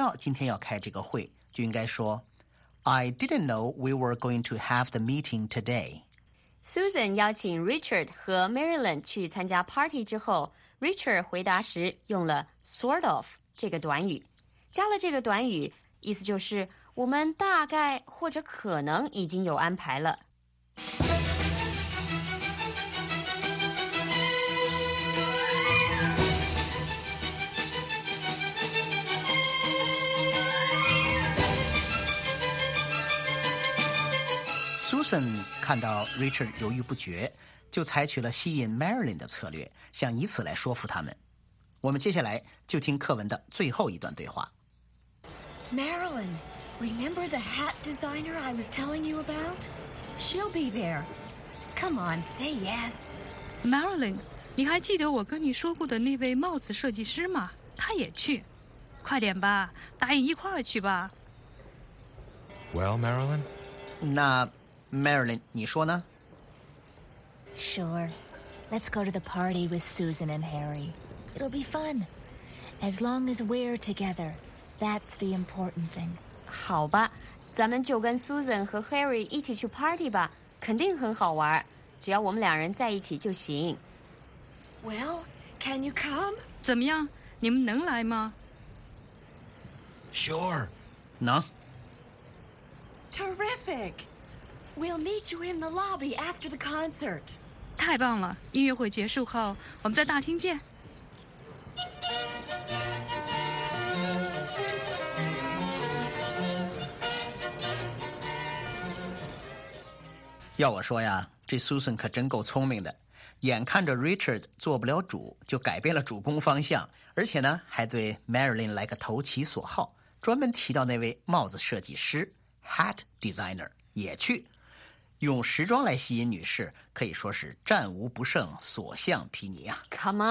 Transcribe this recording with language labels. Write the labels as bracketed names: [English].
[Chinese] 这是很意外碰到熟人的时候，很多人就会这么问，重点不在于问他们到底在干什么，而是表示没有想到会在这里遇见他们。如果说我不知道今天要开这个会，就应该说 [English] I didn't know we were going to have the meeting today. [Chinese] Susan 邀请 Richard 和 Marilyn 去参加 party 之后， Richard 回答时用了 sort of 这个短语，加了这个短语，意思就是我们大概或者可能已经有安排了。 Susan 看到 Richard 犹豫不决， 就采取了吸引 Marilyn 的策略，想以此来说服他们。我们接下来就听课文的最后一段对话。Marilyn, [English] remember the hat designer I was telling you about? She'll be there. Come on, say yes. [Chinese] Marilyn, 你还记得我跟你说过的那位帽子设计师吗？他也去。快点吧，答应一块儿去吧。Well, [English] Marilyn? [Chinese] 那 Marilyn, 你说呢？ [English] Sure. Let's go to the party with Susan and Harry. It'll be fun. As long as we're together, that's the important thing. [Chinese] 好吧，咱们就跟 Susan 和 Harry 一起去 party 吧，肯定很好玩，只要我们两人在一起就行。Well, [English] can you come? [Chinese] 怎么样，你们能来吗？ [English] Sure. [Chinese] 能。 [English] Terrific. We'll meet you in the lobby after the concert. [Chinese] 太棒了，音乐会结束后我们在大厅见。要我说呀，这 Susan 可真够聪明的，眼看着 Richard 做不了主，就改变了主攻方向，而且呢还对 Marilyn 来个投其所好，专门提到那位帽子设计师 Hat Designer 也去， 用时装来吸引女士，可以说是战无不胜，所向披靡啊。Come